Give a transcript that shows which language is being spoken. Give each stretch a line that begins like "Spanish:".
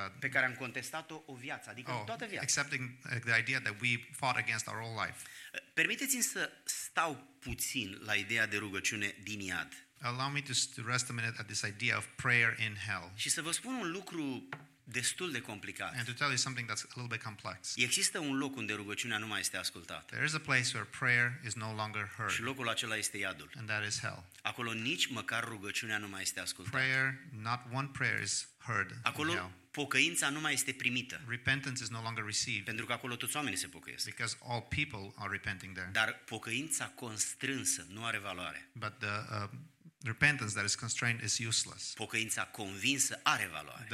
Romanian: pe care am contestat-o o viață, adică toată viața.
English: Accepting the idea that we fought against our whole life.
Romanian: Permiteți-mi să stau puțin la ideea de rugăciune din iad.
English: Allow me to rest a minute at this idea of prayer in hell.
Romanian: Și să vă spun un lucru destul de complicat.
English: And to tell you something that's a little bit complex.
Romanian: Există un loc unde rugăciunea nu mai este ascultată.
English: There is a place where prayer is no longer heard.
Romanian: Și locul acela este iadul.
English: And that is hell.
Romanian: Acolo nici măcar rugăciunea nu mai este ascultată.
English: Prayer, not one prayer is heard.
Romanian: Acolo
English: in hell.
Romanian: Pocăința nu mai este primită.
English: Repentance is no longer received.
Romanian: Pentru că acolo toți oamenii se pocăiesc.
English: Because all people are repenting there.
Romanian: Dar pocăința constrânsă nu are valoare.
English: But the repentance that is constrained is useless.
Romanian: Pocăința convinsă are valoare.